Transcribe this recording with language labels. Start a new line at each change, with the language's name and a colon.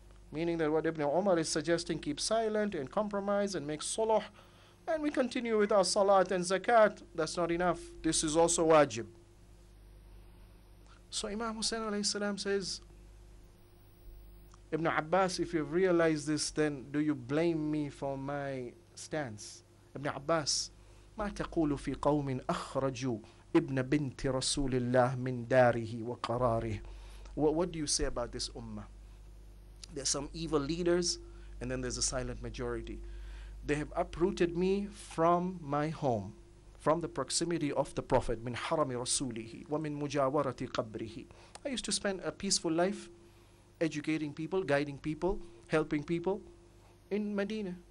English: Meaning that what Ibn Umar is suggesting, keep silent and compromise and make suluh and we continue with our salat and zakat. That's not enough. This is also wajib. So Imam Hussain alayhi salam says, Ibn Abbas, if you've realized this, then do you blame me for my stance?
Arabic: Ibn Abbas, ما تقول في قوم أخرجوا ابن بنت رسول الله من داره وقراره?
English: What do you say about this ummah? There are some evil leaders, and then there's a silent majority. They have uprooted me from my home. From the proximity of the Prophet,
Arabic: min harami rasulihi wa min mujawarati qabrihi.
English: I used to spend a peaceful life educating people, guiding people, helping people in Medina.